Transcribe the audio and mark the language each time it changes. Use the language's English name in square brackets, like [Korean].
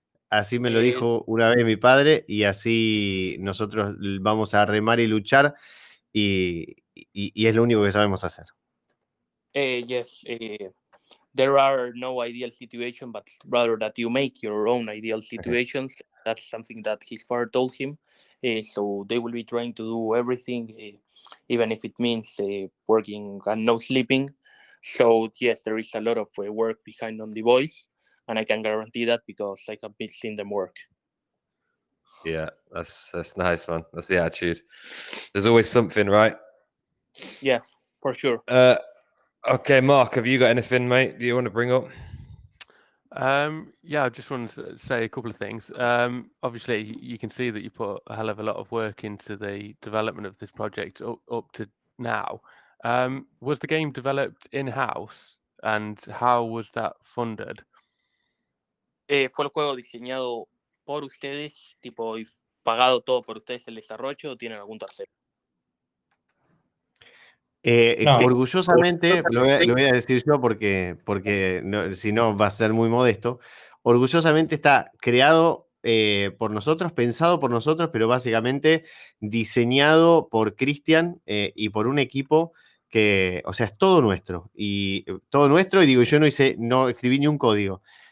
[Spanish] Así me lo dijo una vez mi padre, y así nosotros vamos a remar y luchar. Y es lo único que sabemos hacer. [English] There are no ideal situations, but rather that you make your own ideal situations. Okay. That's something that his father told him. So they will be trying to do everything, even if it means working and no sleeping. So yes, there is a lot of work behind on The Voice, and I can guarantee that because I have been seeing them work. Yeah, that's nice, man. That's the attitude. There's always something, right? Yeah, for sure. Okay, Mark, have you got anything, mate, do you want to bring up? Yeah, I just wanted to say a couple of things. Obviously, you can see that you put a hell of a lot of work into the development of this project up to now. Was the game developed in-house, and how was that funded? [Spanish] Fue el juego diseñado por ustedes, tipo, y pagado todo por ustedes el desarrollo, o tienen algún tercero? No. Orgullosamente, lo voy a decir yo porque no, si no va a ser muy modesto, orgullosamente está creado por nosotros, pensado por nosotros, pero básicamente diseñado por Cristian y por un equipo que, o sea, es todo nuestro, y todo nuestro, y digo, yo no escribí ni un código.